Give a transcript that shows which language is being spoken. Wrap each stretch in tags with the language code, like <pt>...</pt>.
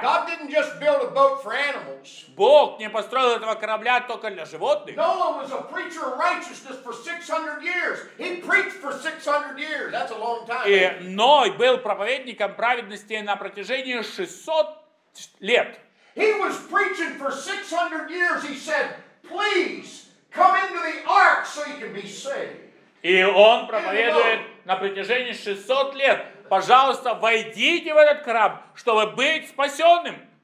<en>God didn't just build a boat for animals.</en> <ru>Бог не построил этого корабля только для животных.</ru> <en>Noah was a preacher of righteousness for 600 years. He preached for 600 years. That's a long time.</en> <ru>И Ной был проповедником праведности на протяжении 600 лет.</ru> <en>He was preaching for 600 years. He said, "Please come into the ark so you can be saved."</en> <ru>И он проповедует на протяжении 600 лет. Пожалуйста, войдите в этот корабль, чтобы быть спасенным.</ru>